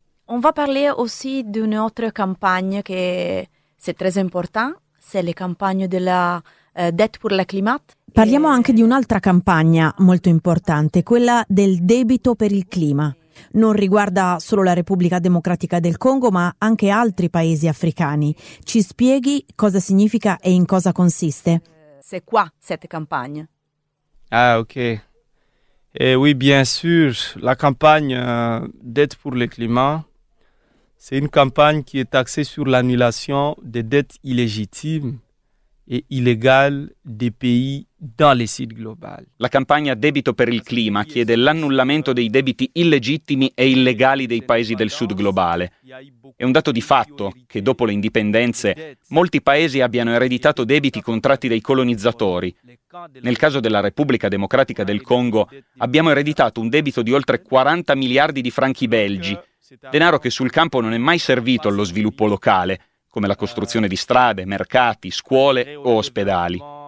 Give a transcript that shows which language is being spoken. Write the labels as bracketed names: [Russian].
[French] On va parler aussi d'une autre campagne che è très importante, c'est la campagne de la dette pour le climat. [Italian] Parliamo anche di un'altra campagna molto importante, quella del debito per il clima. Non riguarda solo la Repubblica Democratica del Congo, ma anche altri paesi africani. Ci spieghi cosa significa e in cosa consiste? [French] C'est quoi cette campagne? Ah, ok. Oui, bien sûr, la campagne dette pour le climat, c'est une campagne qui est axée sur l'annulation des dettes illégitimes et illégales des pays dans les sites globales. [Italian] La campagna Debito per il Clima chiede l'annullamento dei debiti illegittimi e illegali dei paesi del sud globale. È un dato di fatto che dopo le indipendenze molti paesi abbiano ereditato debiti contratti dai colonizzatori. Nel caso della Repubblica Democratica del Congo abbiamo ereditato un debito di oltre 40 miliardi di franchi belgi, denaro che sul campo non è mai servito allo sviluppo locale, come la costruzione di strade, mercati, scuole o ospedali.